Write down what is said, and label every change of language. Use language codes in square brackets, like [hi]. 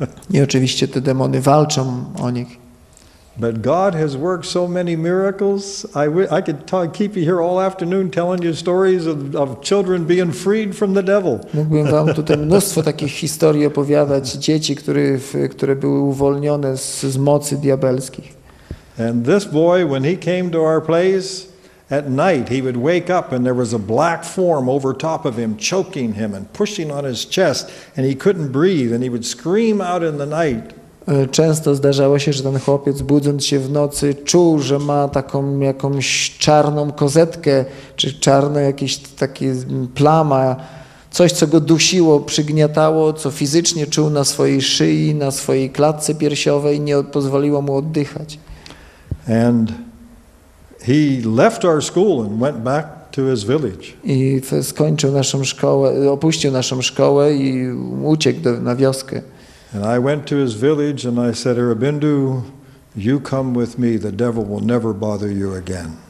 [pl] I oczywiście te demony walczą o nich. [en] But God has worked so many miracles. I could talk, keep you here all afternoon telling you stories of children being freed from the devil. [pl] Mógłbym wam tutaj mnóstwo takich historii opowiadać, dzieci, które były uwolnione z mocy diabelskich. [en] And this boy, when he came to our place, at night he would wake up and there was a black form over top of him, choking him and pushing on his chest, and he couldn't breathe, and he would scream out in the night. [pl] Często zdarzało się, że ten chłopiec, budząc się w nocy, czuł, że ma taką jakąś czarną kozetkę, czy czarno jakieś takie plama, coś, co go dusiło, przygniatało, co fizycznie czuł na swojej szyi, na swojej klatce piersiowej, nie pozwoliło mu oddychać. [en] And he left our school and went back to his village. [pl] I skończył naszą szkołę, opuścił naszą szkołę i uciekł na wioskę. [en] And I went to his village and I said, Arabindu, you come with me, the devil will never bother you again.